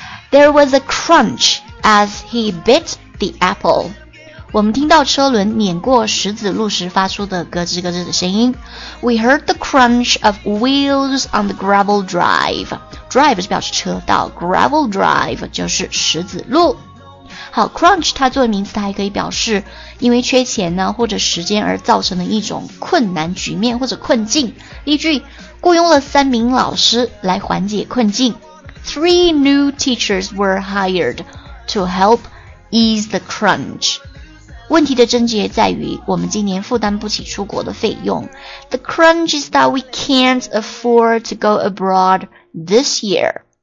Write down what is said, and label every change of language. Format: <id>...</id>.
<en>There was a crunch as he bit the apple。</en> <zh>我们听到车轮碾过石子路时发出的咯吱咯吱的声音。</zh> <en>We heard the crunch of wheels on the gravel drive.</en> <zh>Drive 是表示车道 ，gravel drive 就是石子路。好 ，crunch 它作为名词，它还可以表示因为缺钱呢或者时间而造成的一种困难局面或者困境。例句：雇佣了三名老师来缓解困境。</zh> <en>Three new teachers were hired to help ease the crunch.</en> <zh>问题的症结在于我们今年负担不起出国的费用。</zh> <en>The crunch is that we can't afford to go abroad this year.</en>